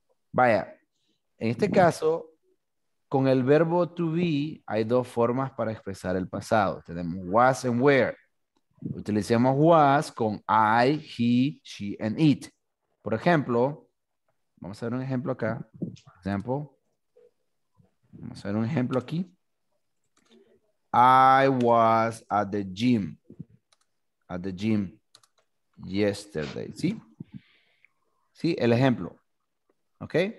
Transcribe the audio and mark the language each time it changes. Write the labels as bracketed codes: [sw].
[es] Vaya, en este caso, con el verbo to be, hay dos formas para expresar el pasado. Tenemos [en] was and where. [es] Utilizamos was con [en] I, he, she, and it. [es] Por ejemplo, vamos a ver un ejemplo acá. Vamos a ver un ejemplo aquí. [en] I was at the gym yesterday. [es] ¿Sí? Sí, el ejemplo. [en] ¿Ok?